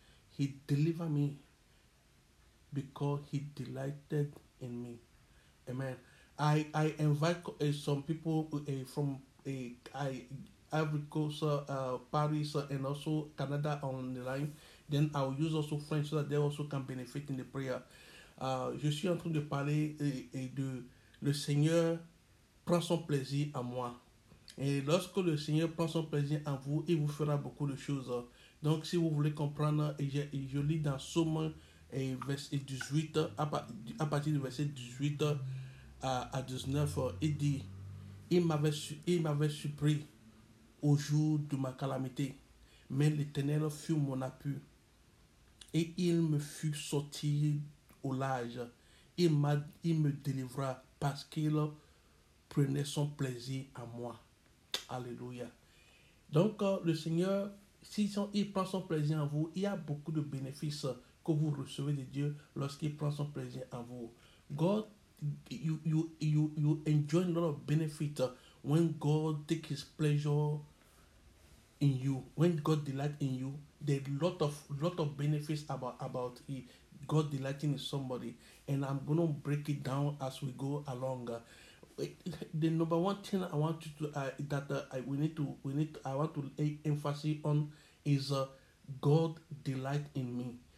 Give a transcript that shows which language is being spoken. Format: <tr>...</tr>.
<en>He delivered me because he delighted in me. Amen. I invite some people from Ivory Coast, Paris, and also Canada on the line. Then I'll use also French so that they also can benefit in the prayer.</en> <fr>Je suis en train de parler de le Seigneur prend son plaisir à moi. Et lorsque le Seigneur prend son plaisir en vous, il vous fera beaucoup de choses. Donc, si vous voulez comprendre, je lis dans Psaume verset 18, à partir du verset 18 à 19, il dit, il m'avait surpris au jour de ma calamité, mais l'Éternel fut mon appui. Et il me fut sorti au large. Il me délivra parce qu'il prenait son plaisir à moi. Alléluia. Donc, le Seigneur, s'il prend son plaisir en vous, il y a beaucoup de bénéfices que vous recevez de Dieu lorsqu'il prend son plaisir en vous.</fr> <en>God, you enjoy a lot of benefits when God takes his pleasure in you. When God delights in you, there are lot of benefits about God delighting in somebody. And I'm going to break it down as we go along. The number one thing I want you to lay emphasis on is God delight in me.</en>